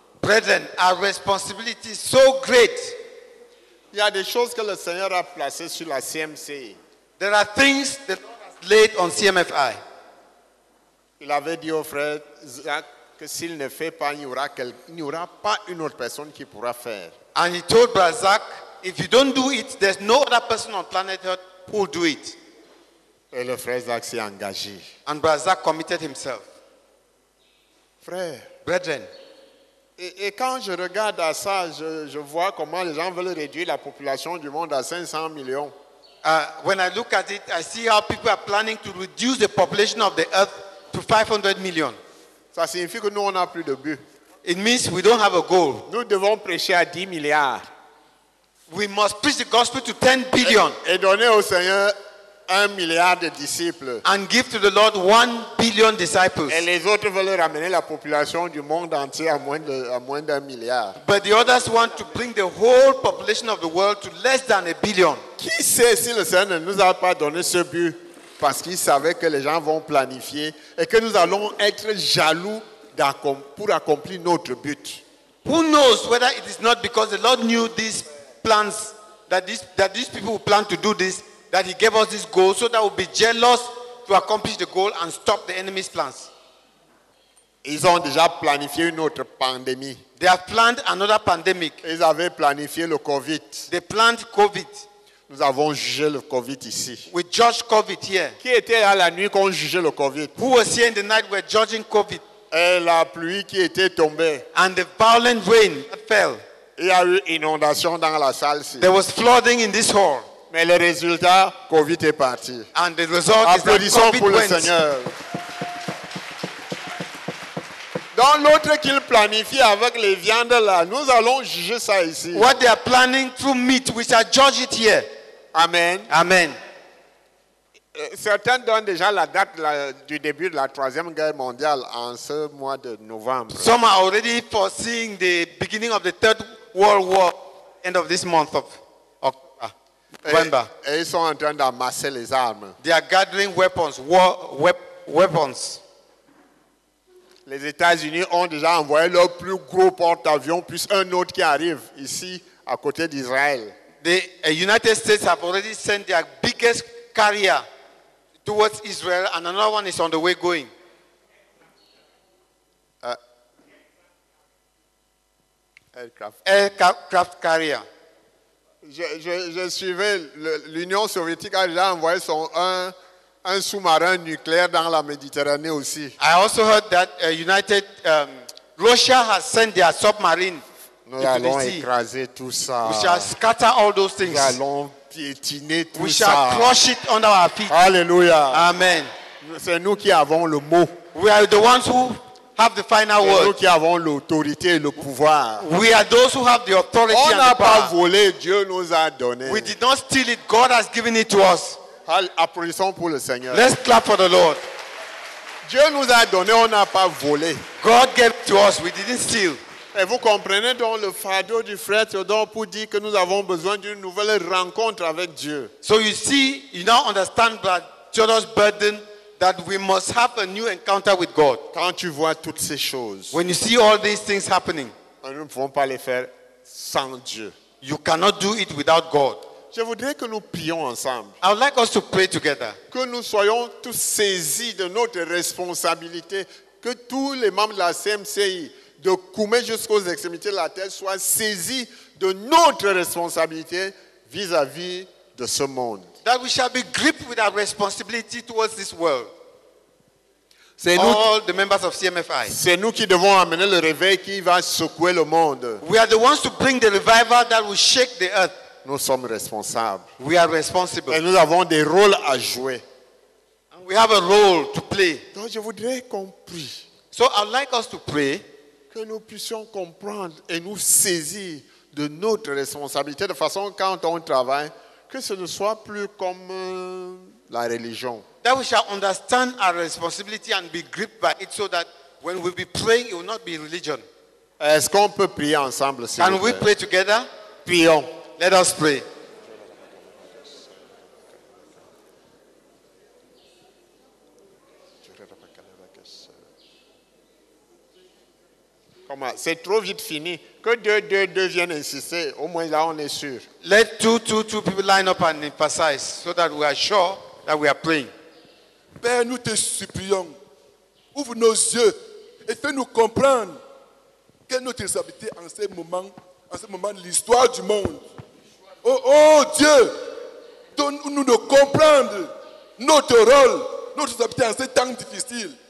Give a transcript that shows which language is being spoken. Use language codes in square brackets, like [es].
[en] Brethren, our responsibility is so great. [fr] Il y a des choses que le Seigneur a placées sur la CMC. [en] There are things that laid on CMFI. [fr] Il avait dit au frère Zach que s'il ne fait pas, il n'y aura pas une autre personne qui pourra faire. [en] And he told Brother Zach, if you don't do it, there's no other person on planet Earth who will do it. [fr] Et le frère Zach s'est engagé. [en] And Brother Zach committed himself. [fr] Frère. [en] Brethren. [fr] Et quand je regarde à ça, je vois comment les gens veulent réduire la population du monde à 500 millions. [en] When I look at it, I see how people are planning to reduce the population of the earth to 500 million. [fr] Ça signifie que nous, on n'a plus de but. [en] It means we don't have a goal. [fr] Nous devons prêcher à 10 milliards. [en] We must preach the gospel to 10 billion. [fr] Et donner au Seigneur 1 milliard de disciples. [en] And give to the Lord 1 billion disciples. [fr] Et les autres veulent ramener la population du monde entier à moins d'un milliard. [en] But the others want to bring the whole population of the world to less than a billion. [fr] Qui sait si le Seigneur ne nous a pas donné ce but parce qu'il savait que les gens vont planifier et que nous allons être jaloux pour accomplir notre but. [en] Who knows whether it is not because the Lord knew these plans that these people will plan to do this, that he gave us this goal so that we'll be jealous to accomplish the goal and stop the enemy's plans. [fr] Ils ont déjà planifié une autre pandémie. [en] They have planned another pandemic. [fr] Ils avaient planifié le COVID. [en] They planned COVID. [fr] Nous avons jugé le COVID ici. [en] We judge COVID here. [fr] Qui était là la nuit qu'on jugeait le COVID? [en] Who was here in the night we're judging COVID? [fr] Et la pluie qui était tombée. [en] And the violent rain that fell. [fr] Il y a eu inondation dans la salle ici. [en] There was flooding in this hall. [fr] Mais le résultat, COVID est parti. [en] And the result is that COVID went. [fr] Applaudissons pour le Seigneur. Dans l'autre qu'ils planifient avec les viandes là, nous allons juger ça ici. [en] What they are planning through meat, we shall judge it here. Amen. Amen. [fr] Certains donnent déjà la date du début de la troisième guerre mondiale en ce mois de novembre. [en] Some are already foreseeing the beginning of the third world war end of this month of November. [fr] Et ils sont en train d'amasser les armes. [en] They are gathering weapons, war weapons. [fr] Les États-Unis ont déjà envoyé leur plus gros porte-avions plus un autre qui arrive ici à côté d'Israël. [en] The United States have already sent their biggest carrier towards Israel, and another one is on the way going. Aircraft carrier. [fr] Je suivais l'Union soviétique a déjà envoyé un sous-marin nucléaire dans la Méditerranée aussi. [en] I also heard that Russia has sent their submarine. [fr] Nous allons écraser tout ça. [en] We shall scatter all those things. [fr] Nous allons piétiner tout ça. [en] We shall crush it under our feet. Alléluia. Amen. [fr] C'est nous qui avons le mot. [en] We are the ones who have the final word. [fr] Nous qui avons l'autorité et le pouvoir. [en] We are those who have the authority and the power. [fr] On n'a pas volé, Dieu nous a donné. [en] We did not steal it, God has given it to us. [fr] Applaudissons pour le Seigneur. [en] Let's clap for the Lord. [fr] Dieu nous a donné, on n'a pas volé. [en] God gave it to us, we didn't steal. [fr] Et vous comprenez donc le fardeau du frère Théodore pour dire que nous avons besoin d'une nouvelle rencontre avec Dieu. [en] So you see, you now understand that Theodore's burden that we must have a new encounter with God. [fr] Quand tu vois toutes ces choses. [en] When you see all these things happening. [fr] Nous ne pouvons pas les faire sans Dieu. [en] You cannot do it without God. [fr] Je voudrais que nous prions ensemble. [en] I would like us to pray together. [fr] Que nous soyons tous saisis de notre responsabilité. Que tous les membres de la CMCI, de Koumé jusqu'aux extrémités de la terre, soient saisis de notre responsabilité vis-à-vis de ce monde. [en] That we shall be gripped with our responsibility towards this world. [fr] C'est nous, [en] all the members of CMFI. [fr] C'est nous qui devons amener le réveil qui va secouer le monde. [en] We are the ones to bring the revival that will shake the earth. [fr] Nous sommes responsables. [en] We are responsible. [fr] Et nous avons des rôles à jouer. [en] And we have a role to play. [fr] Donc je voudrais qu'on prie. [en] So I'd like us to pray. [fr] Que nous puissions comprendre et nous saisir de notre responsabilité de façon quand on travaille, que ce ne soit plus comme la religion. [en] That we shall understand our responsibility and be gripped by it so that when we be praying, it will not be religion. [fr] Est-ce qu'on peut prier ensemble, s'il vous plaît? [en] Can we pray together? [fr] Prions. [en] Let us pray. [fr] Comment? C'est trop vite fini. Que deux viennent insister. Au moins là, on est sûr. [en] Let two people line up and emphasize so that we are sure that we are praying. [fr] Père, nous te supplions. Ouvre nos yeux et fais-nous comprendre quelle notre responsabilité en ce moment de l'histoire du monde. Oh Dieu, donne-nous de comprendre notre rôle, notre responsabilité en ces temps difficiles.